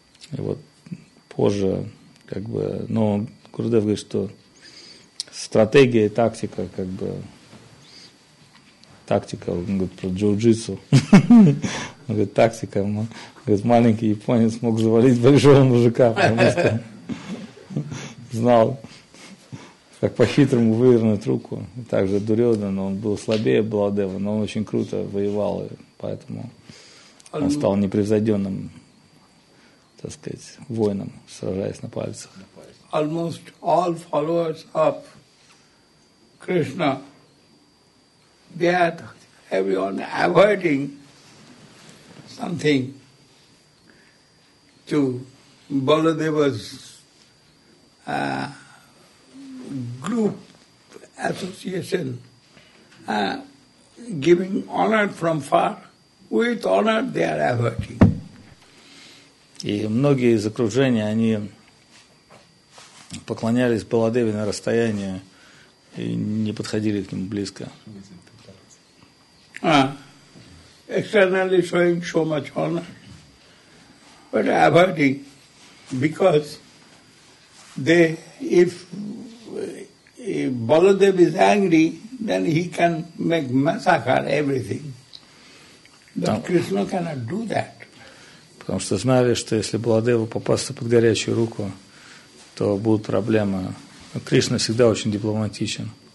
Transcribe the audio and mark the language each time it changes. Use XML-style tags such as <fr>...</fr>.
<ru>И вот позже, как бы, но Гурудев говорит, что стратегия и тактика, как бы, тактика, он говорит про джиу-джитсу, он говорит, тактика, он говорит, маленький японец мог завалить большого мужика, потому что знал, как по-хитрому вывернуть руку. Также Дурьодан, он был слабее Баладева, но он очень круто воевал, и поэтому он стал непревзойденным, так сказать, воином, сражаясь на пальцах.</ru> <en>Almost all followers of Krishna, they are everyone avoiding something to Baladeva's group association, giving honor from far, with honor they are averting.</en> <ru>И многие из окружения, они поклонялись Баладеве на расстоянии и не подходили к нему близко.</ru> <en>Externally showing so much honor, but averting, because they, if Baladev is angry, then he can make massacre everything. But Krishna cannot do that.</en> <ru>Потому что знали, что если Баладеву попасться под горячую руку, то будут проблемы. Но Кришна всегда очень дипломатичен.</ru>